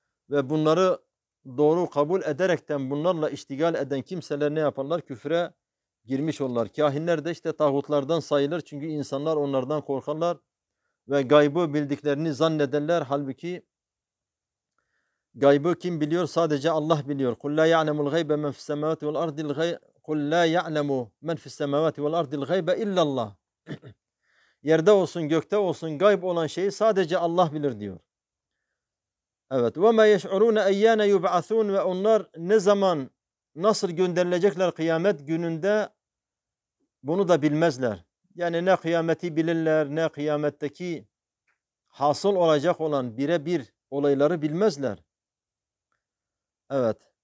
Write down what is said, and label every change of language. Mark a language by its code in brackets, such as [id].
[tr] Ve bunları doğru kabul ederekten bunlarla iştigal eden kimseler ne yaparlar? Küfre girmiş olurlar. Kahinler de işte tağutlardan sayılır. Çünkü insanlar onlardan korkarlar ve gaybı bildiklerini zannederler. Halbuki gaybı kim biliyor? Sadece Allah biliyor. [ar] قُلْ لَا يَعْلَمُ الْغَيْبَ مَنْ فِي السَّمَاوَاتِ وَالْأَرْضِ الْغَيْبَ قُلْ لَا يَعْلَمُ مَنْ فِي السَّمَاوَاتِ وَالْأَرْضِ الْغَيْبَ اِلَّا اللّٰهِ [tr] Yerde olsun, gökte olsun, gayb olan şeyi sadece Allah bilir diyor. [ar] Evet. Ve me yeş'urûne eyyâne yub'asûn. [tr] Ve onlar ne zaman, nasıl gönderilecekler kıyamet gününde, bunu da bilmezler. Yani ne kıyameti bilirler, ne kıyametteki hasıl olacak olan birebir olayları bilmezler. Evet.